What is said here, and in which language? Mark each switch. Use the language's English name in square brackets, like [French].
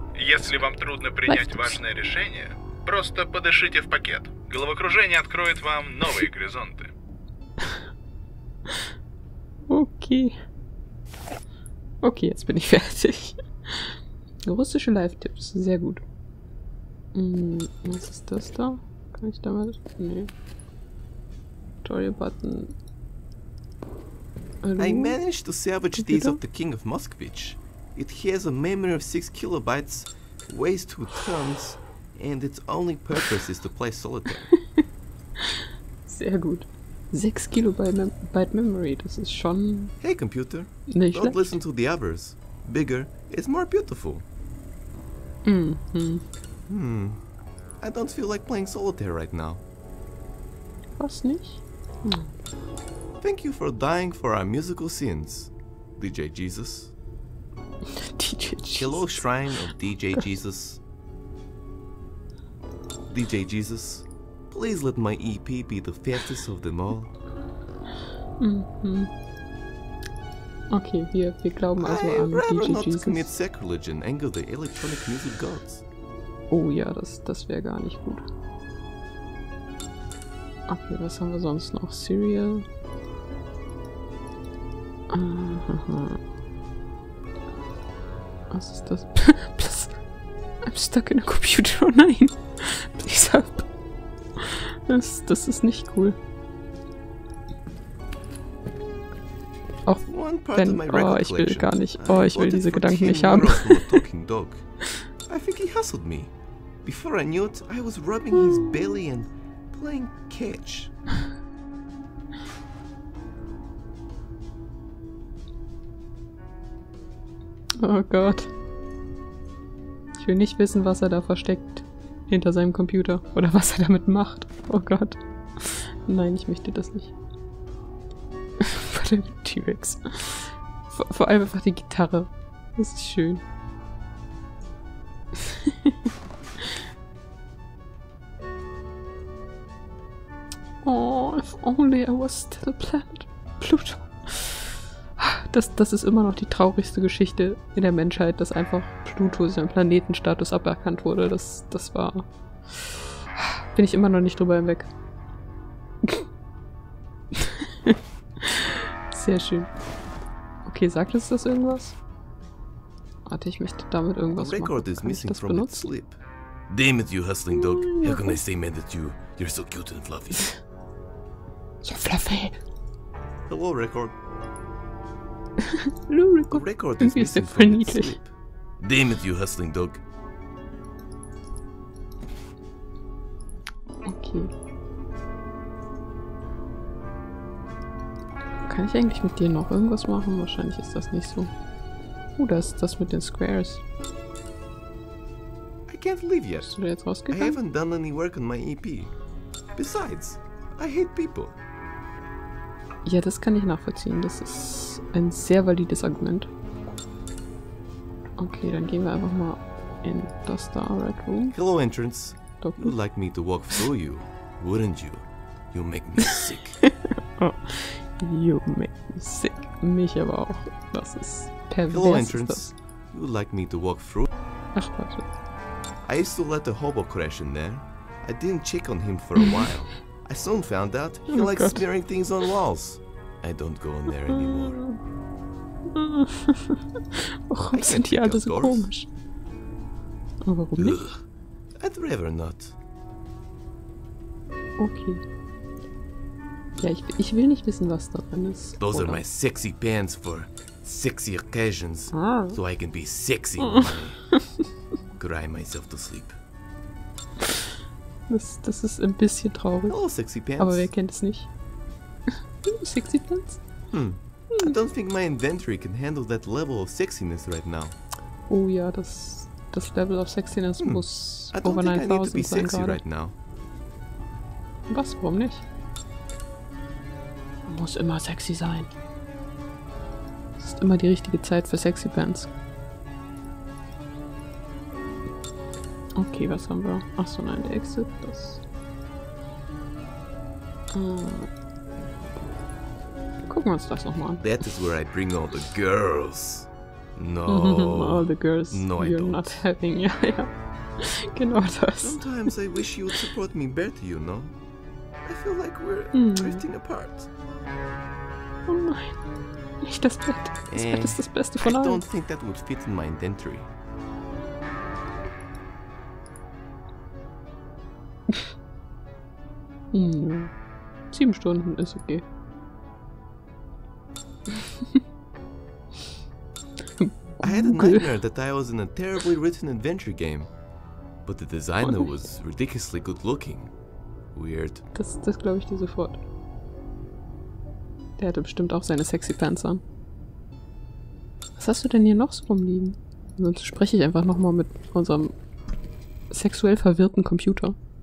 [Russian] Если вам трудно принять важное решение, просто подышите в пакет. Головокружение откроет вам новые горизонты. [English] Okay. [German] Okay, jetzt bin ich fertig. Russische Live-Tipps, sehr gut. Was ist das da? Kann ich damit? Nee. Tutorial-Button. [English] I managed to salvage these of the King of Moskvich. It has a memory of 6 kilobytes, weighs 2 tons, and its only purpose is to play solitaire. [German] Sehr gut. 6 kilobyte memory, das ist schon. [English] Hey computer, [German] nicht schlecht. [English] Don't listen to the others. Bigger is more beautiful. I don't feel like playing solitaire right now. [German] Was nicht? [English] Thank you for dying for our musical sins, DJ Jesus. DJ Jesus. Hello, shrine of DJ Jesus. DJ Jesus, please let my EP be the fattest of them all. [German] Okay, wir glauben also an DJ Jesus. [English] I'd rather not commit sacrilege and anger the electronic music gods. [German] Oh ja, das wäre gar nicht gut. Okay, was haben wir sonst noch? [English] Serial. [German] Was ist das? [English] Plus, I'm stuck in a computer. [German] Oh nein. [English] Please help. [German] Das ist nicht cool. Auch wenn, ich will gar nicht, ich will diese Gedanken nicht haben. [English] I think he hustled me. Before I knew it, I was rubbing his belly and playing catch. [German] Oh Gott. Ich will nicht wissen, was er da versteckt hinter seinem Computer oder was er damit macht. Oh Gott. Nein, ich möchte das nicht. Der T-Rex. Vor allem einfach die Gitarre. Das ist schön. [English] Oh, if only I was still planet Pluto. [German] Das ist immer noch die traurigste Geschichte in der Menschheit, dass einfach Pluto seinen Planetenstatus aberkannt wurde. Das war... Bin ich immer noch nicht drüber hinweg. Sehr schön. Okay, sagt es das irgendwas? Warte, ich möchte damit irgendwas machen. [English] Record is missing from its sleep. Damn it, you hustling dog. How can I say mad at you? You're so cute and fluffy. So fluffy. Hello, Record. Hello, Record. The record is missing from its sleep. Damn it, you hustling dog. Okay. [German] Kann ich eigentlich mit dir noch irgendwas machen? Wahrscheinlich ist das nicht so. Da ist das mit den Squares. [English] I can't leave yet. [German] Bist du da jetzt rausgegangen? [English] I haven't done any work on my EP. Besides, I hate people. [German] Ja, das kann ich nachvollziehen. Das ist ein sehr valides Argument. Okay, dann gehen wir einfach mal in das Star Red Room. [English] Hello, entrance. Doppel. You'd like me to walk through you, wouldn't you? You make me sick. You make me sick. [German] Mich aber auch. Das ist pervers. [English] Hello, entrance. You would like me to walk through? [German] Ach, warte. [English] I used to let the hobo crash in there. I didn't check on him for a while. I soon found out he likes smearing things on walls. I don't go in there anymore. [German] Warum sind die alle so komisch? Warum nicht? [English] I'd rather not. Okay. [German] Ja, ich will nicht wissen, was da drin ist. [English] Those are my sexy pants for sexy occasions, so I can be sexy. Cry myself to sleep. [German] Das ist ein bisschen traurig. [English] Oh, sexy pants. [German] Aber wer kennt es nicht? [English] Sexy pants? I don't think my inventory can handle that level of sexiness right now. [German] Oh ja, das [English] Level of Sexiness muss over 9000 sein. I need to be sexy right now. [German] Was? Warum nicht? Muss immer sexy sein. Es ist immer die richtige Zeit für sexy Pants. Okay, was haben wir? Achso, nein, der Exit. Das. Gucken wir uns das nochmal an. [English] That is where I bring all the girls. No. All the girls. No, you're I don't. Not having. [German] Ja, ja. Genau das. [English] Sometimes I wish you would support me better, you know? I feel like we're drifting apart. [German] Oh nein, nicht das Bett. Das Bett ist das Beste von allem. [English] I don't think that would fit in my inventory. [German] Ja. 7 Stunden ist okay. [English] I had a nightmare that I was in a terribly written adventure game. But the designer was ridiculously good looking. Weird. [German] Das glaube ich dir sofort. Der hatte bestimmt auch seine sexy Pants an. Was hast du denn hier noch so rumliegen? Sonst spreche ich einfach nochmal mit unserem sexuell verwirrten Computer.